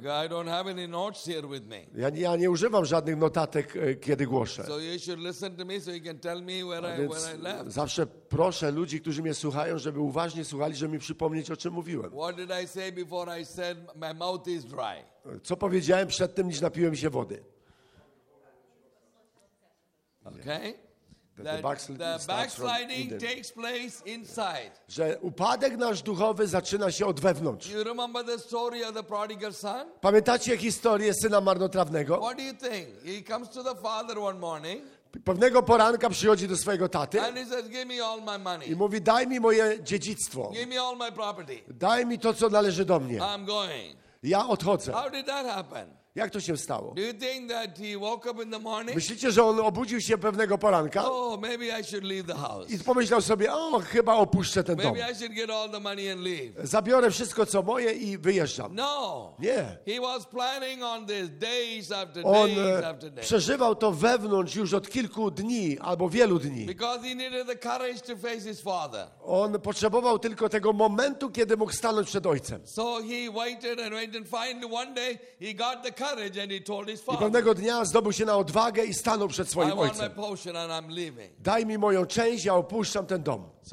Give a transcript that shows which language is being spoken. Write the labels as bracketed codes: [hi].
[en] Because I don't have any notes here with me. [pl] Ja nie używam żadnych notatek, kiedy głoszę. [en] So you should listen to me so you can tell me where I left. [pl] Zawsze proszę ludzi, którzy mnie słuchają, żeby uważnie słuchali, żeby mi przypomnieć, o czym mówiłem. [en] What did I say before I said my mouth is dry? [pl] Co powiedziałem przed tym, niż napiłem się wody? [en] Okay. The backsliding takes place inside. [pl] Że upadek nasz duchowy zaczyna się od wewnątrz. [en] You remember the story of the prodigal son? [pl] Pamiętacie historię syna marnotrawnego? [en] What do you think? He comes to the father one morning. [pl] Pewnego poranka przychodzi do swojego taty. [en] And he says, give me all my money. [pl] I mówi, daj mi moje dziedzictwo. [en] Give me all my property. [pl] Daj mi to, co należy do mnie. [en] I'm going. [pl] Ja odchodzę. [en] How did that happen? [pl] Jak to się stało? [en] Do you think that he woke up in the morning? [pl] Myślicie, że on obudził się pewnego poranka? [en] Oh, maybe I should leave the house. [pl] I pomyślał sobie, o, chyba opuszczę ten [en] maybe [pl] dom. [en] I should get all the money and leave. [pl] Zabiorę wszystko, co moje i wyjeżdżam. [en] No. [pl] Nie. [en] He was planning on this days after on days after days. [pl] Przeżywał to wewnątrz już od kilku dni albo wielu dni. [en] Because he needed the courage to face his father. [pl] On potrzebował tylko tego momentu, kiedy mógł stanąć przed ojcem. [en] So he waited and waited and finally one day he got the [pl] i pewnego dnia zdobył się na odwagę i stanął przed swoim ojcem. Daj mi moją część, ja opuszczam ten dom.